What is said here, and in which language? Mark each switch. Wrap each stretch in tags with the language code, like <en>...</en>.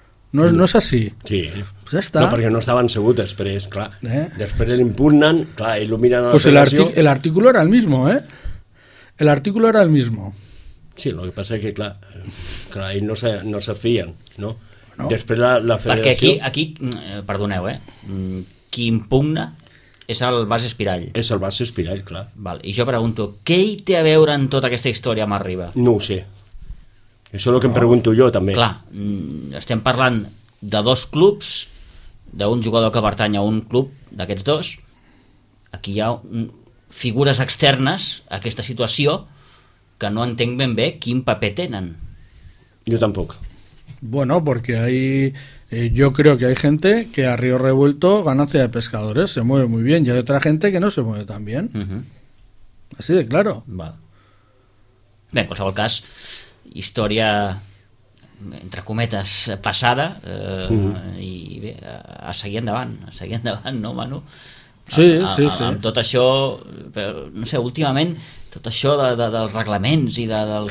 <es>No es así. Sí. Pues ya está. No, porque no estaban seguros después, claro. Después le impugnan, claro, iluminan a la pues federación. Pues el artículo era el mismo, ¿eh? El artículo era el mismo. Sí, lo que pasa es que, clar ahí</es> <ca>no se fien,</ca> <es>no? Bueno,</es> <ca>després la federació... Perquè aquí perdoneu, qui impugna és el Bas Espirall. És el Bas Espirall, clar. Val. I jo pregunto, què hi té a veure en tota aquesta història amb Arriba? No ho sé. Això és el que em pregunto jo, també. Clar, estem parlant de dos clubs, d'un jugador que pertany a un club d'aquests dos. Aquí hi ha figures externes a aquesta situació... que no entenc ben bé quin paper tenen. Jo tampoc.</ca> <es>Bueno, porque ahí yo creo que hay gente que a Río Revuelto ganancia de pescadores, se mueve muy bien, y hay otra gente que no se mueve tan bien. Uh-huh. Así de claro.</es> <ca>Va. Bé, en qualsevol cas, història, entre cometes, passada, i bé, a seguir endavant, no, Manu? Sí. Amb tot això, però, no sé, últimament... Tot això dels reglaments i dels,</ca>